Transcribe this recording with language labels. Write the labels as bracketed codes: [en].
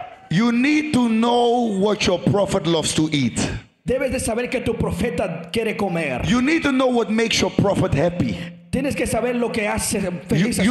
[en] You need to know what your prophet loves to eat. [es] Debes de saber que tu profeta quiere comer. [en] You need to know what makes your prophet happy. [es] Tienes que saber lo que hace feliz a tu